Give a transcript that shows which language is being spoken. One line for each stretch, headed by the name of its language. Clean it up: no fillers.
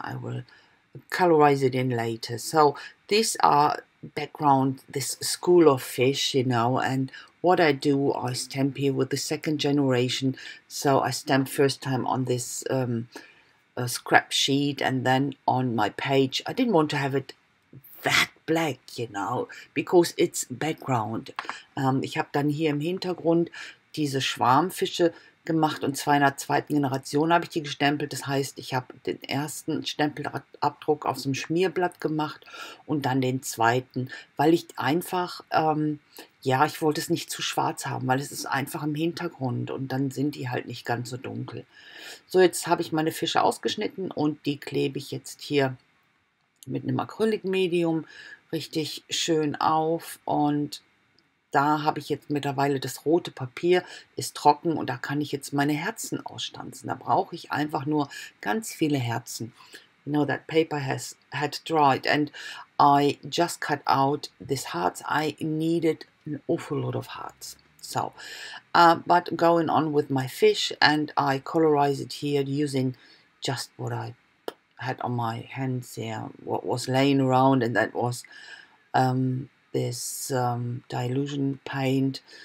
English: I will colorize it in later. So these are background, this school of fish, you know, and what I do, I stamp here with the second generation. So I stamp first time on this scrap sheet and then on my page. I didn't want to have it that black, you know, because it's background.
German: Ich habe dann hier im Hintergrund diese Schwarmfische gemacht und zwar in der zweiten Generation habe ich die gestempelt. Das heißt, ich habe den ersten Stempelabdruck auf dem Schmierblatt gemacht und dann den zweiten, weil ich einfach, ja, ich wollte es nicht zu schwarz haben, weil es ist einfach im Hintergrund und dann sind die halt nicht ganz so dunkel. So, jetzt habe ich meine Fische ausgeschnitten und die klebe ich jetzt hier mit einem Acrylic-Medium richtig schön auf und da habe ich jetzt mittlerweile das rote Papier, ist trocken und da kann ich jetzt meine Herzen ausstanzen. Da brauche ich einfach nur ganz viele Herzen.
English: You know, that paper has had dried and I just cut out this hearts. I needed an awful lot of hearts. So, but going on with my fish and I colorize it here using just what I had on my hands here, what was laying around, and that was this dilution paint.